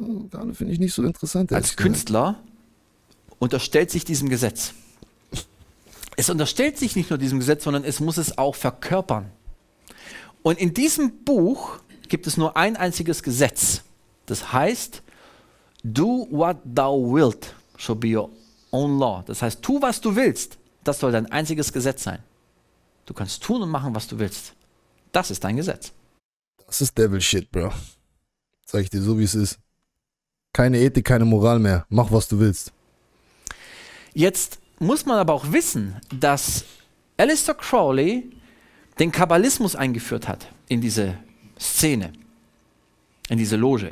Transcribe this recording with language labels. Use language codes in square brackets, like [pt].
[de] Gar nicht, finde ich nicht so interessant. Als Künstler unterstellt sich diesem Gesetz. Es unterstellt sich nicht nur diesem Gesetz, sondern es muss es auch verkörpern. Und in diesem Buch gibt es nur ein einziges Gesetz. Das heißt... [en] Do what thou wilt shall be your own law. [de] Das heißt, tu, was du willst. Das soll dein einziges Gesetz sein. Du kannst tun und machen, was du willst. Das ist dein Gesetz. Das ist [en] Devil Shit, [de] Bro. Sag ich dir so, wie es ist. Keine Ethik, keine Moral mehr. Mach, was du willst. Jetzt muss man aber auch wissen, dass Aleister Crowley den Kabbalismus eingeführt hat in diese Szene, in diese Loge.